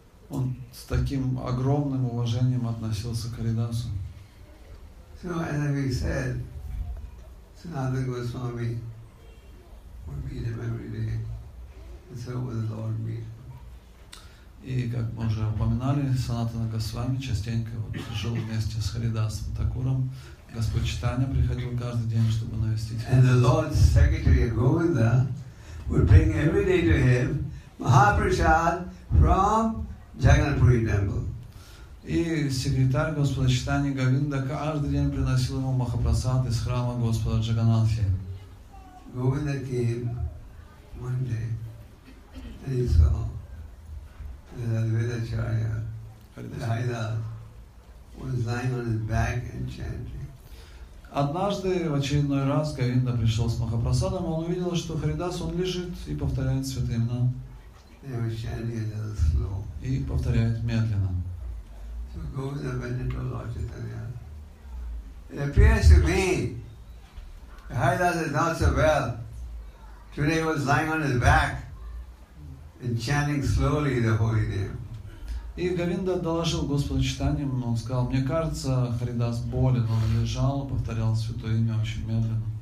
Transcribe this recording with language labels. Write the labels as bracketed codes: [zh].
[ru] Он с таким огромным уважением относился к Харидасу. [en] So, as we said, Sanatana Goswami would meet him every day, and so would the Lord meet him. [ru] И, как мы уже упоминали, Санатана Госвами частенько жил вместе с Харидасом Такуром. Господь Чайтанья приходил каждый день, чтобы навестить [en] Харидаса. And the Lord's secretary, Govinda, would bring every day to him Mahaprasad from Jagannathpuri temple. [ru] И секретарь Господа Чайтаньи Говинда каждый день приносил ему Махапрасад из храма Господа Джаганнатхи. [en] Говинда came one day and he saw that Advaita Acharya, Haridas, was lying on his back and chanting. [ru] Однажды, в очередной раз, Говинда пришел с Махапрасадом, он увидел, что Харидас, он лежит и повторяет святые имена. [en] They were chanting a little slow. [ru] И повторяет медленно. [en] So Govinda went into Lord Chaitanya. It appears to me Haridas is not so well. Today he was lying on his back and chanting slowly the holy name. [ru] И Говинда доложил Господу Чайтанье, он сказал: мне кажется, Харидас болен, он лежал, повторял святое имя очень медленно.